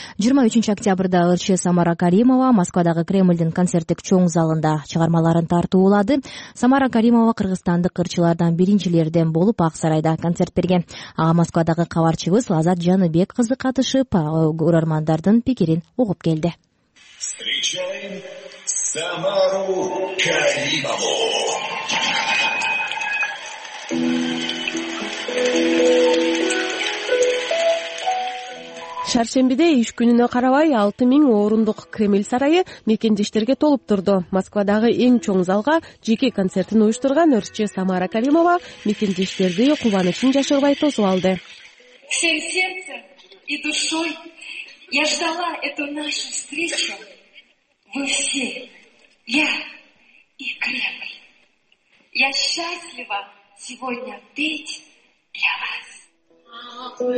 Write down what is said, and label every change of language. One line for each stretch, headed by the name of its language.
Kyrgyz: 23-октябрда ырчы Самара Каримова Москвадагы Кремлдин концерттик чоң залында чыгармаларын тартуулады. Самара Каримова кыргызстандык ырчылардан биринчилерден болуп Ак Сарайда концерт берген. Ага Москвадагы кабарчыбыз Лазат Жаныбек кызы катышып, көрөрмандардын пикирин угуп келди.
Russian: Встречаем Самару Каримову.
Kyrgyz: Шаршембиде 3 күнүнө карабай 6000 орундук Кремль сарайы мекендештерге толуп турду. Москвадагы эң чоң залга жеке концертин уюштурган ырчы Самара Каримова мекендештерди кубанычын жашырбай тосуп алды.
Russian: Всем сердцем и душой я ждала эту нашу встречу. Вы все, я и Кремль. Я счастлива сегодня петь для вас.